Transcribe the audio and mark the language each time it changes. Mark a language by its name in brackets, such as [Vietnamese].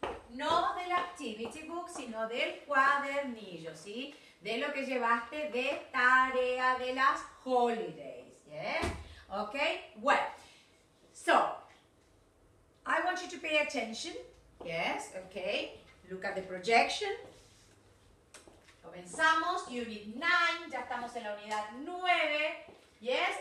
[Spanish] No del [English] activity book, [Spanish] sino del cuadernillo, ¿sí? De lo que llevaste de tarea de las holidays, ¿yes? [English] Ok, well, so, I want you to pay attention, ¿yes? Ok, look at the projection. [Spanish] Comenzamos, [English] unit 9, [Spanish] ya estamos en la unidad 9, ¿yes?